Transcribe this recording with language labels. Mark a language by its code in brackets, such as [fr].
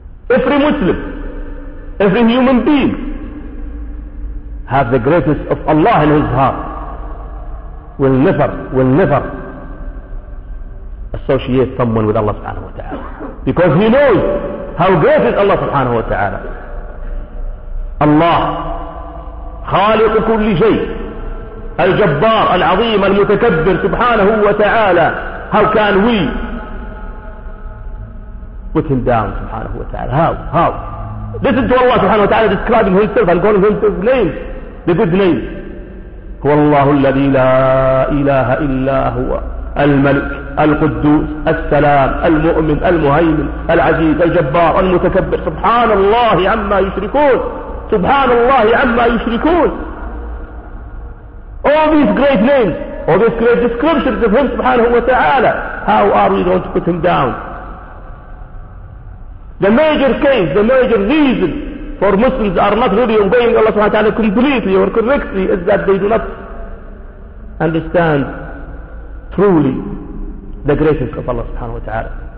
[en] Every Muslim, every human being, have the greatness of Allah in his heart, will never associate someone with Allah subhanahu wa ta'ala, because he knows how great is Allah subhanahu wa ta'ala. [ar] Allah خالق كل شيء الجبار العظيم المتكبر سبحانه وتعالى. [en] How can we put him down subhanahu wa ta'ala? How? Listen to Allah subhanahu wa ta'ala describing himself and calling him his name. The good name. [ar] هو الله الذي لا إله إلا هو الملك القدوس السلام المؤمن المهيمن العزيز الجبار المتكبر سبحان الله عما يشركون. سبحان الله عما يشركون. [en] All these great names, all these great descriptions of him سبحانه وتعالى. How are we going to put him down? The major case, the major reason for Muslims are not really obeying Allah subhanahu wa ta'ala completely or correctly is that they do not understand truly the greatness of Allah subhanahu wa ta'ala.